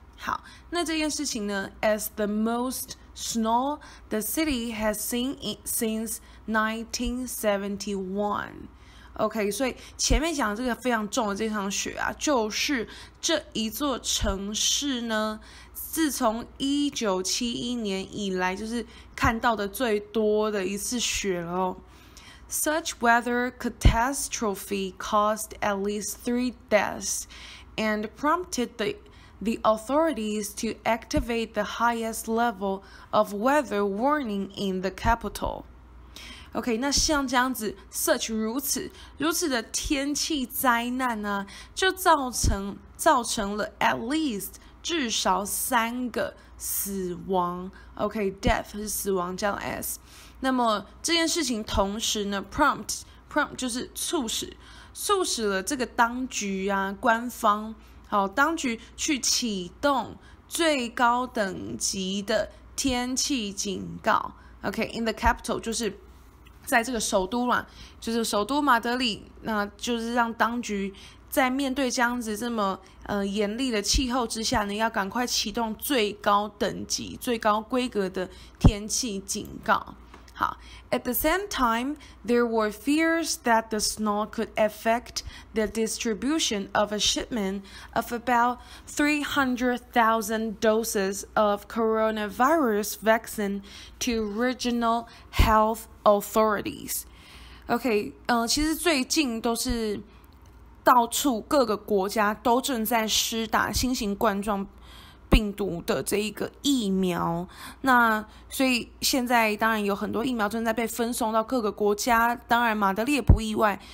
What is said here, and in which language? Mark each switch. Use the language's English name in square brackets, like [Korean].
[Chinese] 好，那这件事情呢， [English] as the most snow the city has seen since 1971。 [Chinese] OK， 所以前面讲的这个非常重的这场雪啊，就是这一座城市呢，自从1971年以来，就是看到的最多的一次雪哦。 [English] Such weather catastrophe caused at least 3 deaths and prompted the authorities to activate the highest level of weather warning in the capital. [Chinese] OK， 那像这样子 ，such 如此的天气灾难呢、啊，就造成了 [English] at least [Chinese] 至少三个死亡。 OK，death 是死亡加 s。那么这件事情同时呢 ，prompt 就是促使了这个当局啊，官方好当局去启动最高等级的天气警告。 [English] OK，in the capital [Chinese] 就是。在这个首都嘛，就是首都马德里，那就是让当局在面对这样子这么严厉的气候之下呢，要赶快启动最高等级、最高规格的天气警告。 [English] 好 ，At the same time, there were fears that the snow could affect the distribution of a shipment of about 300,000 doses of coronavirus vaccine to regional health authorities. [Chinese] OK， 其实最近都是到处各个国家都正在施打新型冠状病毒的这一个疫苗，那所以现在当然有很多疫苗正在被分送到各个国家，当然马德里也不意外。